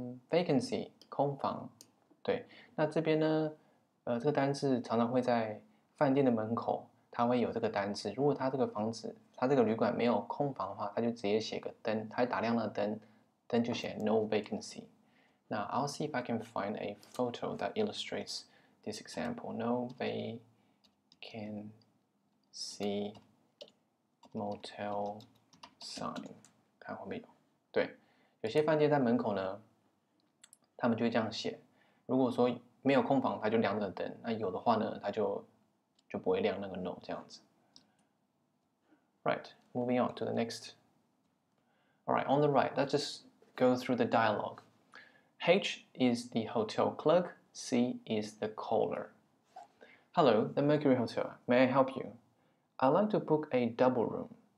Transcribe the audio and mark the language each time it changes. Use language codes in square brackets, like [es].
[zh] vacancy 空房，对。那这边呢，这个单字常常会在饭店的门口，它会有这个单字。如果它这个房子他这个旅馆没有空房的话，他就直接写个灯，他打亮了灯，灯就写 no vacancy。 [en] 那 I'll see if I can find a photo that illustrates this example. No vacancy motel sign， [zh] 看后面有。对，有些饭店在门口呢，他们就会这样写。如果说没有空房，他就亮那个灯；那有的话呢，他就不会亮那个 no 这样子。 [en] Right, moving on to the next. All right, on the right, let's just go through the dialogue. H is the hotel clerk. C is the caller. Hello, the Mercury Hotel. May I help you? I'd like to book a double room.